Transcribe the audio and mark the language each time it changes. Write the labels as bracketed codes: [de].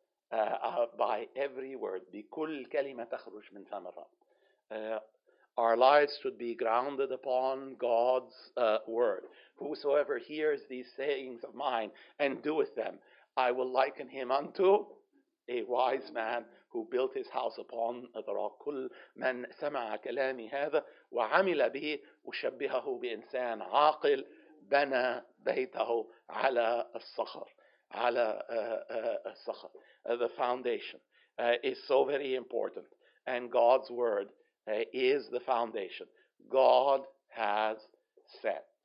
[en] By every word. [ar] بكل كلمة تخرج من فم الرب. [en] Our lives should be grounded upon God's word. Whosoever hears these sayings of mine and doeth them, I will liken him unto a wise man who built his house upon the rock. [ar] كل من سمع كلامي هذا وعمل به وشبهه بإنسان عاقل بنى بيته على الصخر. على الصخر. [en] The foundation is so very important. And God's word is the foundation. God has said.